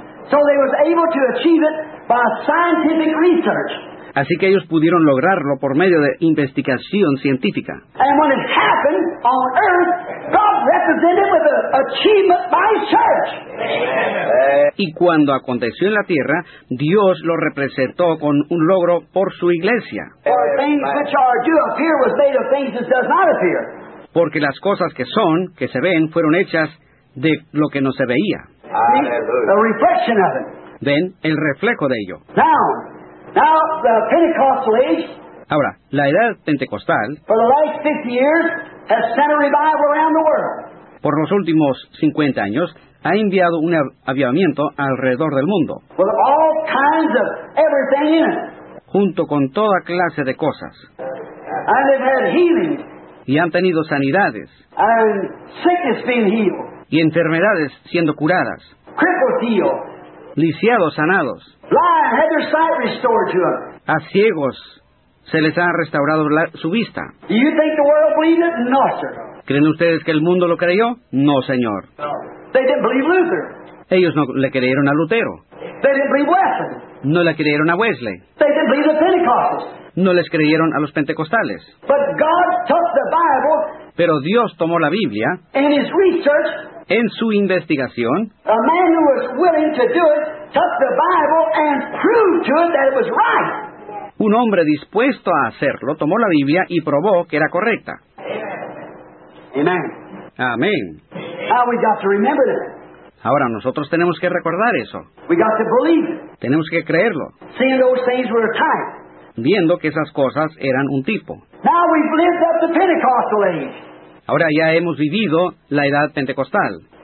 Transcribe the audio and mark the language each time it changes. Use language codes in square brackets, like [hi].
[en] So they was able to achieve it by scientific research. [es] Así que ellos pudieron lograrlo por medio de investigación científica. [en] And when it happened on earth, God represented with an achievement by his church. [es] Y cuando aconteció en la tierra, Dios lo representó con un logro por su iglesia. [en] For things which are do appear was made of things that does not appear. [es] Porque las cosas que son, que se ven, fueron hechas de lo que no se veía. [en] The reflection of it. [es] Ven, el reflejo de ello. [en] Now the Pentecostal age. [es] Ahora, la edad pentecostal. [en] For the last 50 years, has sent a revival around the world. [es] Por los últimos 50 años, ha enviado un avivamiento alrededor del mundo. [en] With all kinds of everything in it. [es] Junto con toda clase de cosas. [en] And they've had healings. [es] Y han tenido sanidades. [en] And sickness being healed. [es] Y enfermedades siendo curadas. [en] Crippled healed. [es] Lisiados sanados. [en] Blind had their sight restored to them. [es] A ciegos se les ha restaurado su vista. [en] Do you think the world believed it? No, sir. [es] ¿Creen ustedes que el mundo lo creyó? No, señor. No. [en] They didn't believe Luther. [es] Ellos no le creyeron a Lutero. [en] They didn't believe Wesley. [es] No le creyeron a Wesley. [en] They didn't believe the Pentecostals. [es] No les creyeron a los pentecostales. [en] But God took the Bible. [es] Pero Dios tomó la Biblia. [en] In his research. [es] En su investigación, [en] a man who was willing to do it took the Bible and proved to it that it was right. [es] Un hombre dispuesto a hacerlo tomó la Biblia y probó que era correcta. [en] Amen. [es] Amén. [en] Now we got to remember that. [es] Ahora nosotros tenemos que recordar eso. [en] We got to believe. [es] Tenemos que creerlo. [en] Seeing those things were a type. [es] Viendo que esas cosas eran un tipo. [en] Now we've lived up the Pentecostal age. [es] Ahora ya hemos vivido la edad pentecostal.